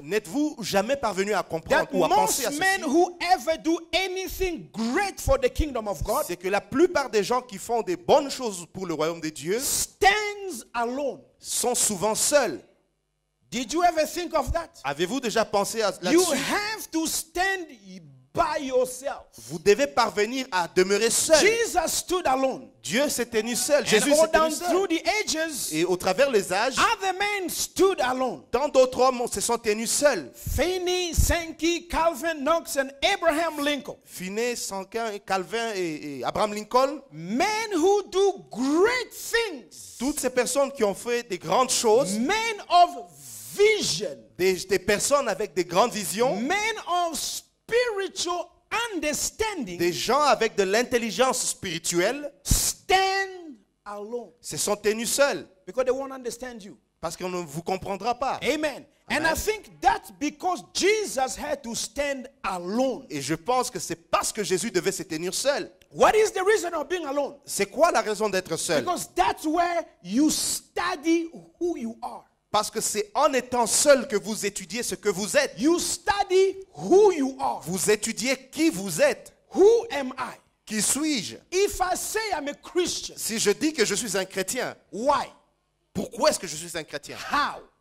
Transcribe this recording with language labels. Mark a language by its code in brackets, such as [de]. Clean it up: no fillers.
[fr] N'êtes-vous jamais parvenu à comprendre ou à [en] most [fr] penser à ceci? [en] Men who ever do anything great for the kingdom of God? [fr] C'est que la plupart des gens qui font des bonnes choses pour le royaume de Dieu [en] stands alone. [fr] Sont souvent seuls. [en] Did you ever think of that? [fr] Avez-vous déjà pensé à [en] you have to stand by yourself. [fr] Vous devez parvenir à demeurer seul. [en] Jesus stood alone. [fr] Dieu s'est tenu seul. Jésus s'est tenu seul. [en] Through the ages, [fr] et au travers les âges, [en] other men stood alone. [fr] Tant d'autres hommes se sont tenus seuls. [en] Finney, Sankey, Calvin, Knox, and Abraham Lincoln. [fr] Finney, Sankey, Calvin et Abraham Lincoln. [en] Men who do great things. [fr] Toutes ces personnes qui ont fait des grandes choses. [en] Men of vision. [fr] Des personnes avec des grandes visions. [en] Men of spiritual understanding. [fr] Des gens avec de l'intelligence spirituelle. [en] Stand alone. [fr] Se sont tenus seuls. [en] Because they won't understand you. [fr] Parce qu'on ne vous comprendra pas. [en] Amen. And I think that's because Jesus had to stand alone. [fr] Et je pense que c'est parce que Jésus devait se tenir seul. [en] What is the reason of being alone? [fr] C'est quoi la raison d'être seul? [en] Because that's where you study who you are. [fr] Parce que c'est en étant seul que vous étudiez ce que vous êtes. [en] You study who you are. [fr] Vous étudiez qui vous êtes. [en] Who am I? [fr] Qui suis-je? [en] If I say I'm a Christian. [fr] Si je dis que je suis un chrétien. [en] Why? [fr] Pourquoi est-ce que je suis un chrétien? [en] How?